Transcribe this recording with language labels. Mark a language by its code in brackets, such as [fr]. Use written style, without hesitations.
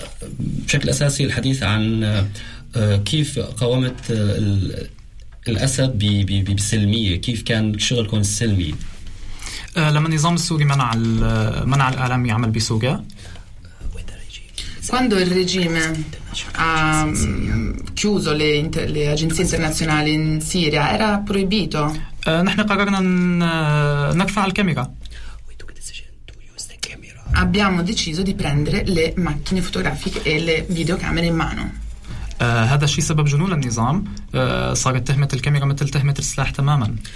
[ar] بشكل أساسي الحديث عن كيف قاومت الأسد بسلمية كيف كان شغلكم السلمي لما النظام السوري منع منع الإعلام يعمل بسوريا [it] quando il regime ha chiuso le le agenzie internazionali in Siria era proibito [ar] نحن قررنا نرفع الكاميرا [it] abbiamo deciso di prendere le macchine fotografiche e le videocamere in mano [ar] هذا الشيء سبب جنون النظام صارت تهمة الكاميرا مثل تهمة السلاح تماما